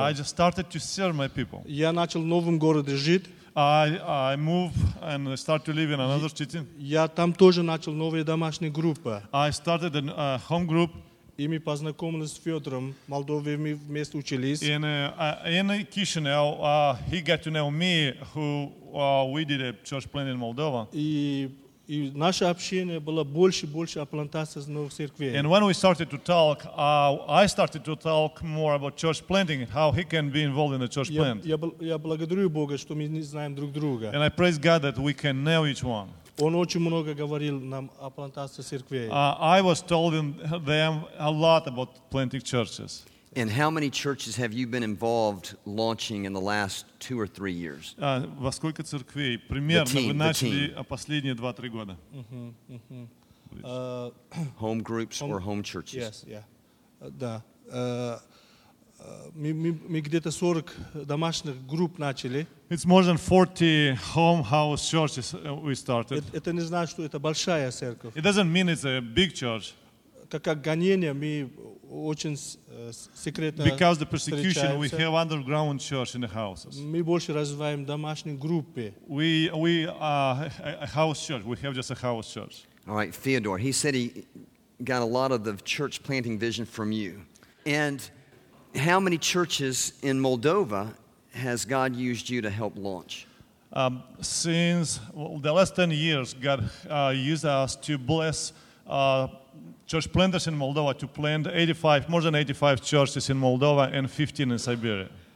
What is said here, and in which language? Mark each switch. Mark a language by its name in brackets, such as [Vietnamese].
[English] I just started to serve my people. [Russian] Я начал в новом городе жить. [English] I move and start to live in another city. [Russian] Я там тоже начал новые домашние группы. [English] I started a home group. [Russian] И мы познакомились с Федором, в Молдове мы вместе учились. [English] In Chișinău, he got to know me, who we did a church plant in Moldova. [Russian] И наше общение было больше и больше о плантациях новых церквей. [English] And when we started to talk, I started to talk more about church planting, how he can be involved in the church plant. [Russian] Я благодарю Бога, что мы не знаем друг друга. [English] And I praise God that we can know each one. [Russian] Он очень много говорил нам о плантациях церквей. [English] I was telling them a lot about planting churches. And how many churches have you been involved launching in the last 2 or 3 years? [Russian] Во сколько церквей примерно вы начали последние 2-3 года? [English] Home groups or home churches? Yes, yeah. [Russian] Да. Мы где-то 40 домашних групп начали. [English] It's more than 40 home house churches we started. [Russian] Это не значит, что это большая церковь. [English] It doesn't mean it's a big church. [Russian] Как гонение мы очень секретно. [English] Because the persecution, we have underground church in the houses. [Russian] Мы больше развиваем домашние группы. [English] We are a house church. We have just a house church. All right, Theodore. He said he got a lot of the church planting vision from you. And how many churches in Moldova has God used you to help launch? Since the last 10 years, God used us to bless church planters in Moldova to plant more than 85 churches in Moldova and 15 in Siberia.